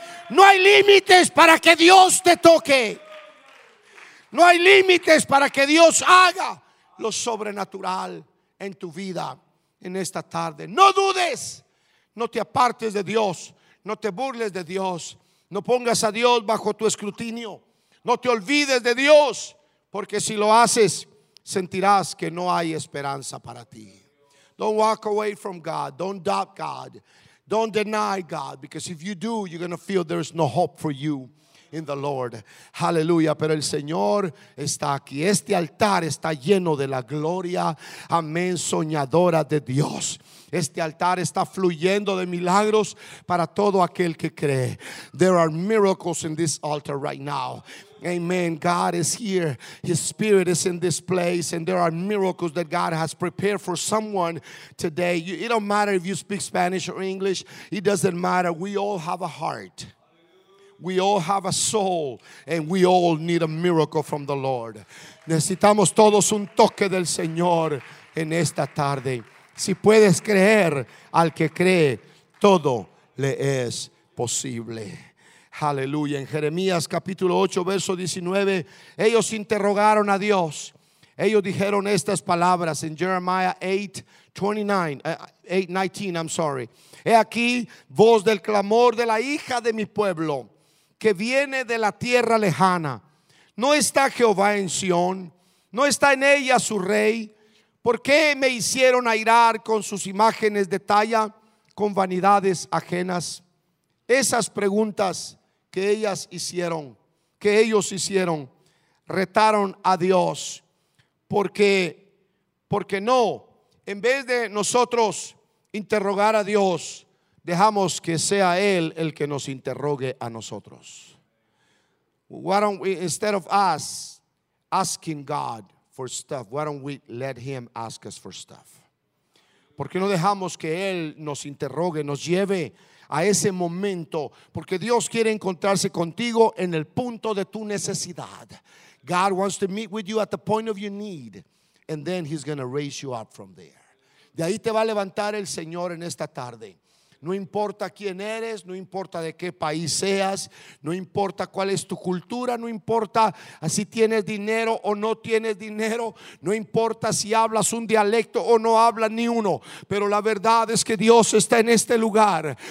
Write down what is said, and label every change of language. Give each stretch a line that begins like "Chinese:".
Spanish: No hay límites para que Dios te toque. No hay límites para que Dios haga lo sobrenatural en tu vida en esta tarde. No dudes, no te apartes de Dios, no te burles de Dios, no pongas a Dios bajo tu escrutinio, no te olvides de Dios, porque si lo haces, sentirás que no hay esperanza para ti.
English: Don't walk away from God, don't doubt God, don't deny God, because if you do, you're going to feel there's no hope for you in the Lord.
Spanish: Hallelujah. Pero el Señor está aquí. Este altar está lleno de la gloria, amén, soñadora de Dios. Este altar está fluyendo de milagros para todo aquel que cree.
English: There are miracles in this altar right now. Amen. God is here. His spirit is in this place. And there are miracles that God has prepared for someone today. It don't matter if you speak Spanish or English. It doesn't matter. We all have a heart. We all have a soul, and we all need a miracle from the Lord.
Spanish: Necesitamos todos un toque del Señor en esta tarde. Si puedes creer, al que cree, todo le es posible. Aleluya. En Jeremías capítulo 8, verso 19, ellos interrogaron a Dios. Ellos dijeron estas palabras en Jeremiah 8:19,
English: I'm sorry.
Spanish: He aquí voz del clamor de la hija de mi pueblo, que viene de la tierra lejana. No está Jehová en Sión, no está en ella su rey. ¿Por qué me hicieron airar con sus imágenes de talla, con vanidades ajenas? Esas preguntas que ellas hicieron, que ellos hicieron, retaron a Dios. Porque no, en vez de nosotros interrogar a Dios, dejamos que sea Él el que nos interrogue a nosotros.
English: Why don't we, instead of us asking God for stuff, why don't we let Him ask us for stuff?
Spanish: ¿Por qué no dejamos que Él nos interrogue, nos lleve a ese momento? Porque Dios quiere encontrarse contigo en el punto de tu necesidad.
English: God wants to meet with you at the point of your need, and then He's going to raise you up from there.
Spanish: De ahí te va a levantar el Señor en esta tarde. No importa quién eres, no importa de qué país seas, no importa cuál es tu cultura, no importa si tienes dinero o no tienes dinero, no importa si hablas un dialecto o no hablas ni uno, pero la verdad es que Dios está en este lugar.